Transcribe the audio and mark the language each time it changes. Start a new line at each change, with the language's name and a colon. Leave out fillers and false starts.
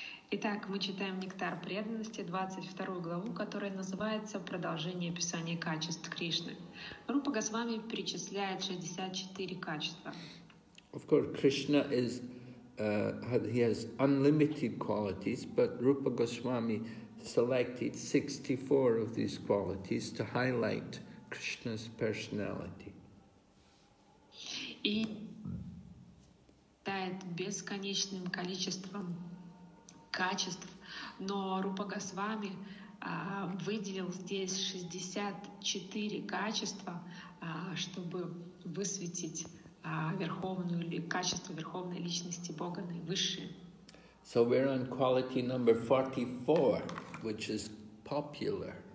Russian: Итак, мы читаем «Нектар преданности», 22 главу, которая называется «Продолжение описания качеств Кришны». Рупа Госвами перечисляет 64 качества.
English: Of course, Krishna is, he has unlimited qualities, but Rupa Goswami selected 64 of these qualities to highlight Krishna's personality.
Russian: И дает бесконечным количеством качеств, но Рупа Госвами выделил здесь 64 качества, чтобы высветить верховную или качество верховной личности Бога наивысшее.
English: So we're on quality number 44, which is popular.